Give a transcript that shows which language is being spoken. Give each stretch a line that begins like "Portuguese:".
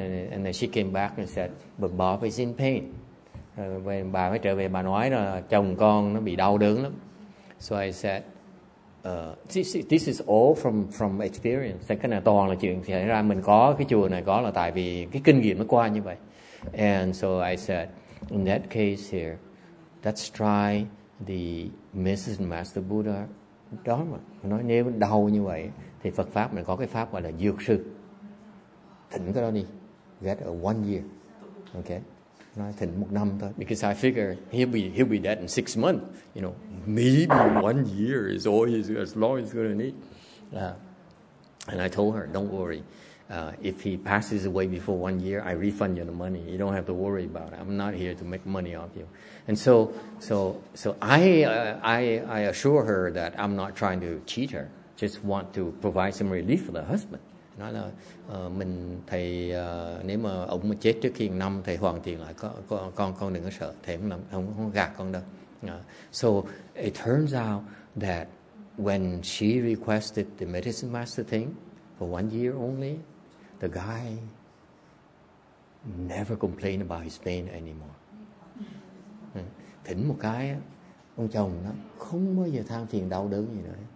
English: And then she came back and said, but Bob is in pain.
Vietnamese: When bà mới trở về, bà nói là chồng con nó bị đau đớn lắm.
English: So I said, this is all from experience.
Vietnamese: Cái này toàn là chuyện xảy ra. Mình có cái chùa này có là tại vì cái kinh nghiệm nó qua như vậy.
English: And so I said, in that case here, let's try the Mrs. Master Buddha Dharma.
Vietnamese: Nói nếu đau như vậy, thì Phật Pháp mình có cái pháp gọi là dược sư. Thỉnh cái đó đi.
English: Get a 1 year.
Vietnamese: Okay. Nói thỉnh một năm thôi.
English: Because I figure he'll be dead in 6 months. You know, maybe 1 year is all he's as long as he's gonna need. And I told her, don't worry. If he passes away before 1 year, I refund you the money. You don't have to worry about it. I'm not here to make money off you. And so I assure her that I'm not trying to cheat her. Just want to provide some relief for the husband.
Vietnamese: Nói là mình thầy nếu mà ông mà chết trước khi năm thầy hoàn tiền lại con đừng có sợ thầy không gạt con đâu.
English: So it turns out that when she requested the medicine master thing for 1 year only, the guy never complained about his pain anymore.
Vietnamese: Thỉnh một cái ông chồng nó không bao giờ than phiền đau đớn gì nữa.